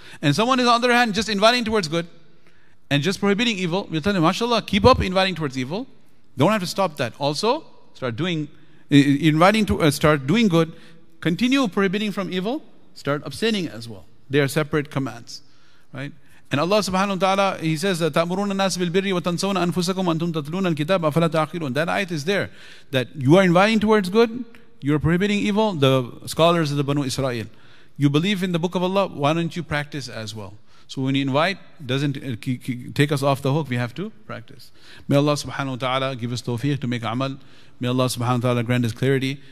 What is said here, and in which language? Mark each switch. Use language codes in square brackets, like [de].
[en] And someone is, on the other hand, just inviting towards good and just prohibiting evil, we'll tell him, mashallah, keep up inviting towards evil. Don't have to stop that. Also, start doing good, continue prohibiting from evil, start abstaining as well. They are separate commands, right? And Allah subhanahu wa ta'ala, he says, [ar] تَأْمُرُونَ النَّاسِ بِالْبِرِّ وَتَنْسَوْنَ أَنفُسَكُمْ أَنْتُمْ تَتْلُونَ الْكِتَابَ أَفَلَا تَعْقِلُونَ. [en] That ayat is there, that you are inviting towards good, you are prohibiting evil, the scholars of the Banu Israel. You believe in the book of Allah, why don't you practice as well? So when you invite, doesn't take us off the hook, we have to practice. May Allah subhanahu wa ta'ala give us tawfiq to make amal. May Allah subhanahu wa ta'ala grant us clarity.